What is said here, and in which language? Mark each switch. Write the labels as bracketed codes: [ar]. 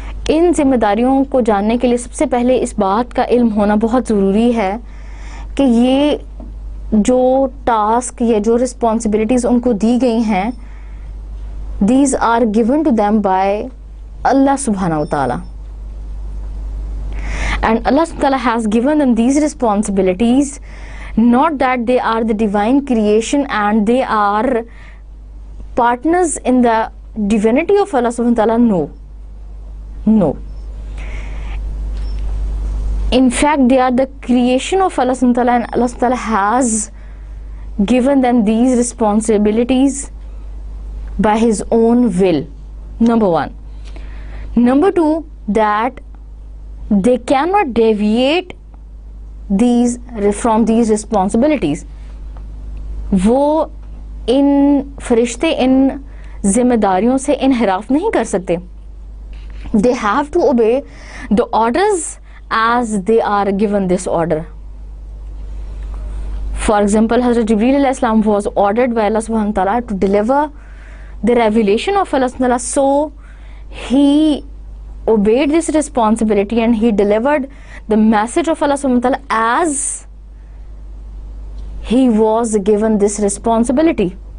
[hi] इन जिम्मेदारियों को जानने के लिए सबसे पहले इस बात का इल्म होना बहुत ज़रूरी है कि ये जो टास्क या जो रिस्पॉन्सिबिलिटीज उनको दी गई हैं, [en] These are given to them by Allah सुबहाना व ताला, एंड अल्लाह ताला has given them these responsibilities. Not that they are the divine creation and they are partners in the divinity of Allah Subhanahu Wa Taala. No, no. In fact, they are the creation of Allah Subhanahu Wa Taala, and Allah Subhanahu Wa Taala has given them these responsibilities by His own will. Number one. Number two, that they cannot deviate from these responsibilities. [hi] वो इन फरिश्ते इन जिम्मेदारियों से इनहराफ नहीं कर सकते। [en] They have to obey the orders as they are given this order. For example, Hazrat Jibreel alayhi salam was ordered by Allah subhanahu wa ta'ala to deliver the revelation of Allah subhanahu wa ta'ala. So he obeyed this responsibility and he delivered the message of Allah subhanahu wa ta'ala as he was given this responsibility.